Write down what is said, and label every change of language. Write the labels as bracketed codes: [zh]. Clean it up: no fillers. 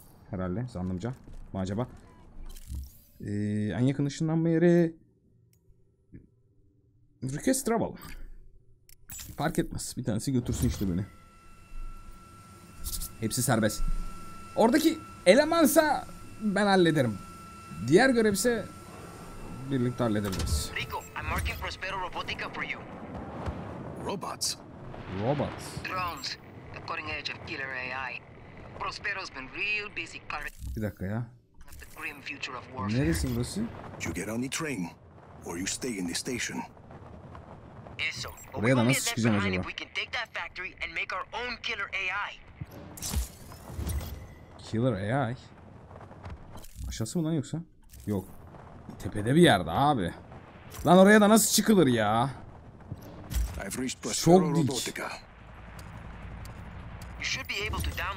[tr] Herhalde zannımca. Mı acaba? En yakın ışınlanma yeri Request Travel. Fark etmez. Bir tanesi götürsün işte beni. Hepsi serbest. Oradaki elemansa ben hallederim. Diğer görevse birlikte hallederiz. [en] Rico, I'm marking Prospero Robotica for you. Robots. Robots. Drones. The cutting edge of killer AI. Prospero's been real busy. [tr] Bir dakika ya. [en] The grim future of warfare. [tr] Neresi burası? [en] You get on the train, or you stay in the station. [es] Eso. [tr] Oraya da nasıl çıkacağım acaba? [en] We can take that factory and make our own killer AI. Killer AI. [tr] Aşağısı mı lan yoksa? Yok. Tepede bir yerde abi. Lan oraya da nasıl çıkılır ya? [en] I've reached Prospero Robotica. You should be able to download.